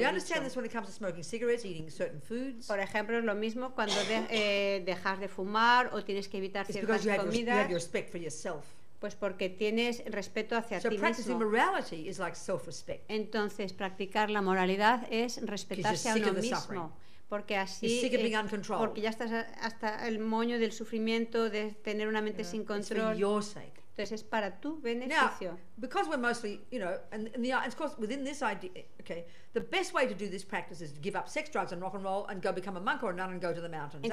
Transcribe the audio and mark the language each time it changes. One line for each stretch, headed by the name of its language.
English: we understand
Spanish: dicho.
English: This when it comes to smoking cigarettes, eating certain foods.
Spanish: Por ejemplo, es lo mismo cuando dejas de fumar o tienes que evitar ciertas comidas.
English: You have your respect for yourself.
Spanish: Pues porque tienes respeto hacia
English: so
Spanish: ti mismo.
English: So practicing morality is like self-respect.
Spanish: Entonces practicar la moralidad es respetarse a uno mismo.
English: Suffering.
Spanish: Porque así porque ya estás hasta el moño del sufrimiento de tener una mente sin control.
English: It's for your sake.
Spanish: Entonces es para tu beneficio.
English: Now, because we're mostly, you know, and of course within this idea, okay, the best way to do this practice is to give up sex, drugs, and rock and roll and go become a monk or a nun and go to the mountains.